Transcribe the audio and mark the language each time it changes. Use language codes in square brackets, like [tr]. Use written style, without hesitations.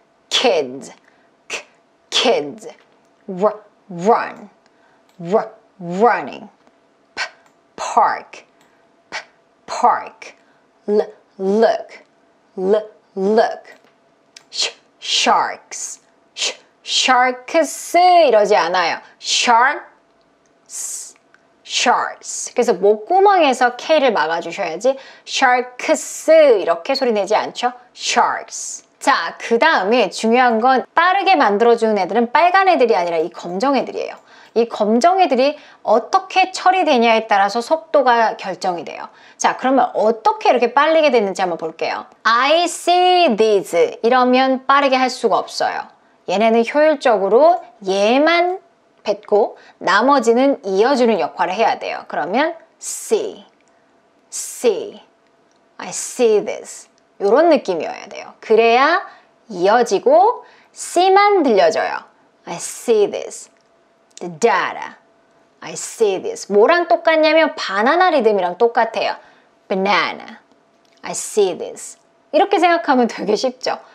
[en] Kids. Kids. Run, running, park, park, look, look, sharks, sharks [ko] 이러지 않아요. [en] Sharks, sharks. [ko] 그래서 목구멍에서 K를 막아주셔야지 sharks 이렇게 소리 내지 않죠? [en] Sharks. [ko] 자, 그 다음에 중요한 건 빠르게 만들어주는 애들은 빨간 애들이 아니라 이 검정 애들이에요. 이 검정 애들이 어떻게 처리되냐에 따라서 속도가 결정이 돼요. 자, 그러면 어떻게 이렇게 빨리게 됐는지 한번 볼게요. [en] I see these [ko] 이러면 빠르게 할 수가 없어요. 얘네는 효율적으로 얘만 뱉고 나머지는 이어주는 역할을 해야 돼요. 그러면 [en] see, see, I see this. [ko] 이런 느낌이어야 돼요. 그래야 이어지고 C만 들려져요. [en] I see this. The data. I see this. [ko] 뭐랑 똑같냐면 바나나 리듬이랑 똑같아요. [en] Banana. I see this. [ko] 이렇게 생각하면 되게 쉽죠.